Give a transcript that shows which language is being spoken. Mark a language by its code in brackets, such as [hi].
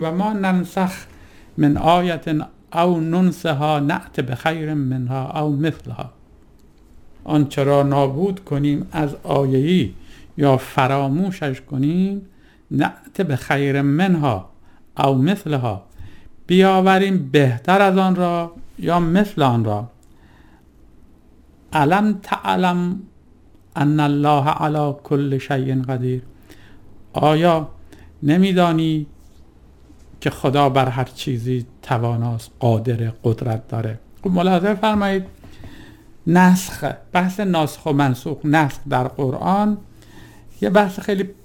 [ar] و ما ننسخ من آیت او ننسها نعت بخیر منها او مثلها. [fa] آنچه را نابود کنیم از آیهی یا فراموشش کنیم، [ar] نعت بخیر منها او مثلها، [fa] بیاوریم بهتر از آن را یا مثل آن را. [ar] علم تعلم ان الله على كل شيء قدير. [fa] آیا نمیدانی که خدا بر هر چیزی تواناست، قادر، قدرت داره؟ خب ملاحظه فرمایید، نسخ، بحث ناسخ و منسوخ، نسخ در قرآن یه بحث خیلی